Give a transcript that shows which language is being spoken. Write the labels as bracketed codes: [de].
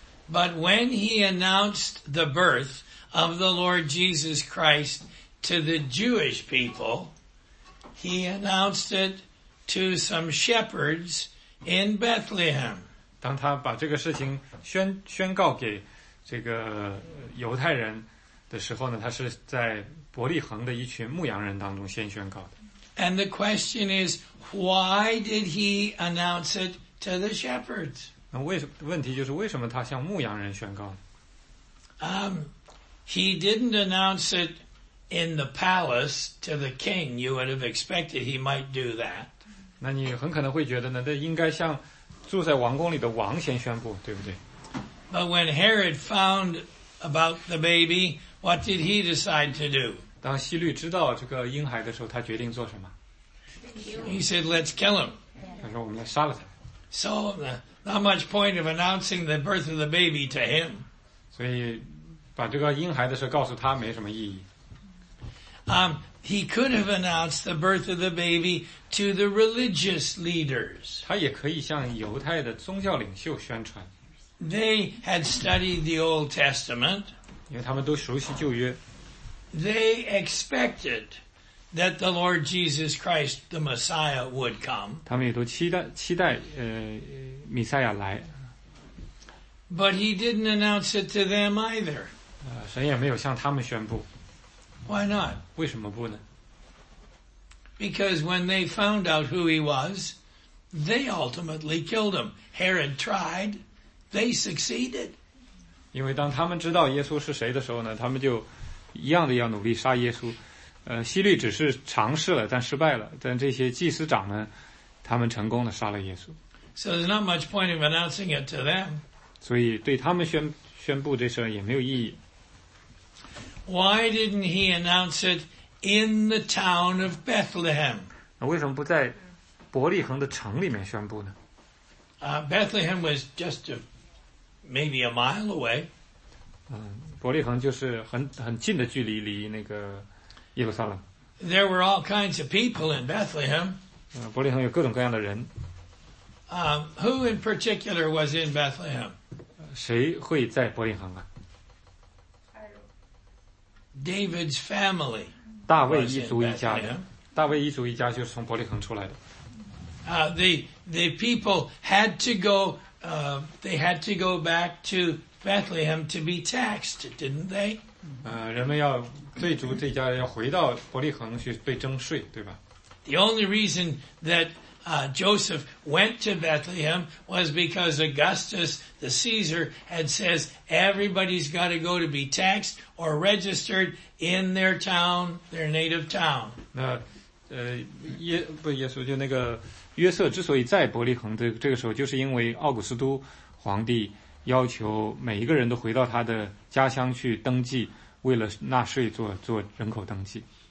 [en] But when he announced the birth of the Lord Jesus Christ to the Jewish people, he announced it to some shepherds in Bethlehem. [zh] 当他把这个事情宣告给这个犹太人的时候呢，他是在伯利恒的一群牧羊人当中先宣告的。 [en] And the question is, why did he announce it to the shepherds? [zh] 那为问题就是为什么他向牧羊人宣告？ [en] He didn't announce it in the palace to the king. You would have expected he might do that. [zh] 那你很可能会觉得呢，这应该向住在王宫里的王先宣布，对不对？ [en] But when Herod found about the baby, what did he decide to do? [zh] 当希律知道这个婴孩的时候，他决定做什么？ [en] He said, "Let's kill him." [zh] 他说，我们来杀了他。 [en] So, not much point of announcing the birth of the baby to him. [zh] 所以把这个婴孩的事告诉他没什么意义。 [en] He could have announced the birth of the baby to the religious leaders. [zh] 他也可以向犹太的宗教领袖宣传。 [en] They had studied the Old Testament. [zh] 因为他们都熟悉旧约。 [en] They expected that the Lord Jesus Christ, the Messiah, would come. [zh] 他们也都期待弥赛亚来。 [en] But he didn't announce it to them either. [zh] 神也没有向他们宣布。 [en] Why not? [zh] 为什么不呢？ [en] Because when they found out who he was, they ultimately killed him. Herod tried, they succeeded. [zh] 因为当他们知道耶稣是谁的时候呢，他们就一样的要努力杀耶稣。希律只是尝试了但失败了，但这些祭司长呢，他们成功的杀了耶稣。 [en] So there's not much point in announcing it to them. [zh] 所以对他们宣布这事也没有意义。 [en] Why didn't he announce it in the town of Bethlehem? [zh] 那为什么不在伯利恒的城里面宣布呢？ [en] Bethlehem was just maybe a mile away. [zh] 伯利恒就是很近的距离，离那个耶路撒冷。 [en] There were all kinds of people in Bethlehem. [zh] 伯利恒有各种各样的人。 [en] Who in particular was in Bethlehem? [zh] 谁会在伯利恒啊？ [en] David's family. [zh] 大卫一族一家的。大卫一族一家就是从伯利恒出来的。 [en] The people had to go, they had to go back to Bethlehem to be taxed, didn't they? [zh] 人们要追逐这家人要回到伯利恒去被征税，对吧？ [en] The only reason that Joseph went to Bethlehem was because Augustus the Caesar had says everybody's got to go to be taxed or registered in their town, their native town. [zh] 那耶稣就那个约瑟之所以在伯利恒的这个时候，就是因为奥古斯都皇帝要求每一个人都回到他的家乡去登记，为了纳税做人口登记。